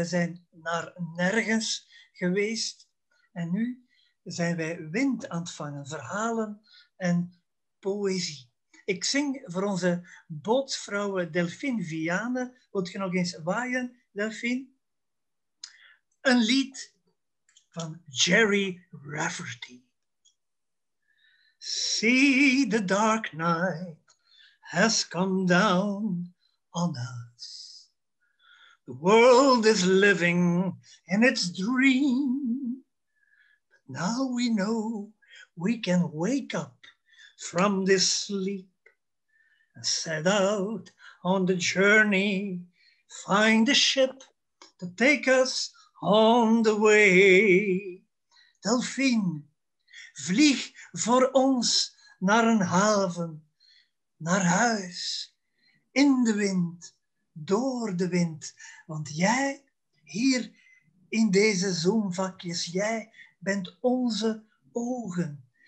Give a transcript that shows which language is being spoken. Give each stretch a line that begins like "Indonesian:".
Dutch: Wij zijn naar nergens geweest en nu zijn wij wind aan het vangen, verhalen en poëzie. Ik zing voor onze bootsvrouwe Delphine Viane. Wilt je nog eens waaien, Delphine? Een lied van Jerry Rafferty.
English: See, the dark night has come down on us. The world is living in its dream. But now we know we can wake up from this sleep. Set out on the journey, find a ship to take us on the way.
Dutch: Delphine, vlieg voor ons naar een haven, naar huis, in de wind, door de wind. Want jij, hier in deze Zoomvakjes, jij bent onze ogen.